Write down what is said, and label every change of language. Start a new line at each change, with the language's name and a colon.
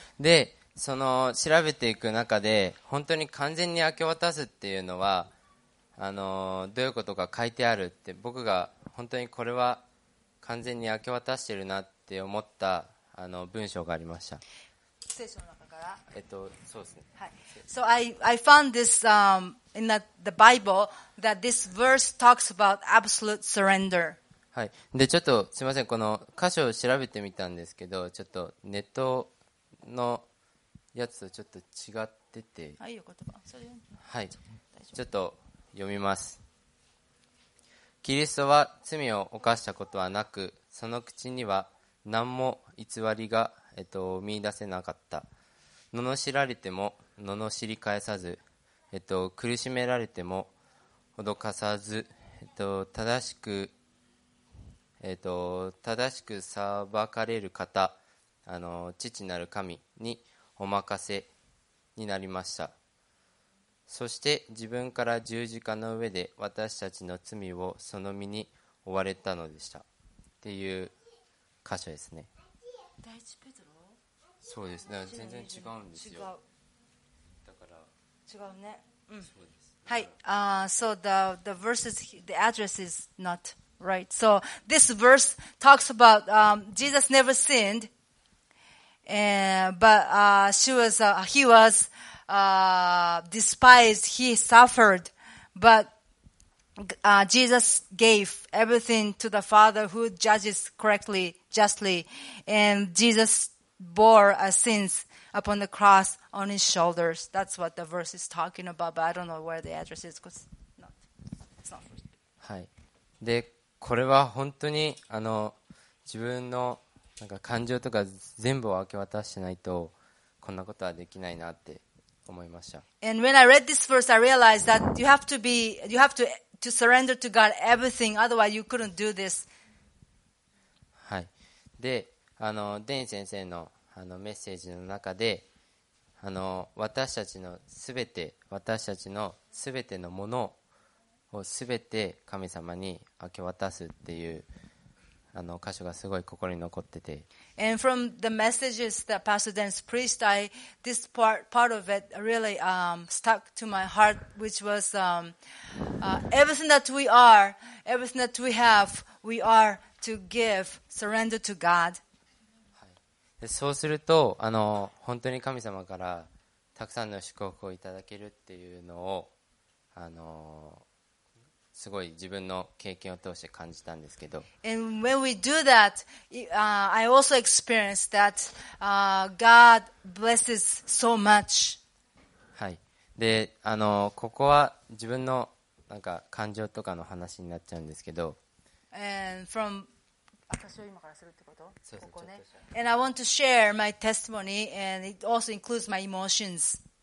Japanese: で、その調べていく中で本当に完全に明け渡すっていうのはどういうことか書いてあるって僕が本当にこれは完全に明け渡してるなって思った文章がありました聖書の中からそうですね、
English: はい、So I found this in the Bible that this verse talks about absolute surrender
Japanese: はいでちょっとすみませんこの箇所を調べてみたんですけどちょっとネットのやつとちょっと違ってて、はい、言葉、それ、はい、ちょっと読みます。キリストは罪を犯したことはなく、その口には何も偽りが、見出せなかった。罵られても罵り返さず、苦しめられても脅かさず、正しく裁かれる方、父なる神に。お任せになりましたそして自分から十字架の上で私たちの罪をその身に負われたのでしたっていう箇所ですね第一ペトロそうですね全然違うんですよ違うだから違うね、うん、そうです
English: はい、So the verses the address is not right So this verse talks about Jesus never sinnedBut he was despised. He suffered. But Jesus gave everything to the Father who judges correctly, justly. And Jesus bore our sins upon the cross on his shoulders. That's what the verse is talking about. But I don't know where the address is because it's not first.
Japanese: はい。で、これは本当に自分のなんか感情とか全部を明け渡してないとこんなことはできないなって思いました。
English: And when I read this verse, I realized that you have to surrender to God everything, otherwise you couldn't do this.
Japanese: はい。で、デン先生のメッセージの中で、私たちのすべて、私たちのすべてのものをすべて神様に明け渡すっていう。箇所がすごい心に残ってて。
English: And from the messages that Pastor Dennis preached, this part of it really stuck to my heart, which was everything that we are, everything that we have, we are to give, surrender to God.
Japanese: そうすると、本当に神様からたくさんの祝福をいただけるっていうのを、すごい自分の経験を通して感じたんですけど。
English: And when we do that, I also experienced that God blesses so much.
Japanese: はい。で、ここは自分のなんか感情とかの話になっちゃうんですけど。
English: And from
Japanese: 私を今からするってこと？そうですここね。
English: And I want to share my testimony, and it also includes my emotions.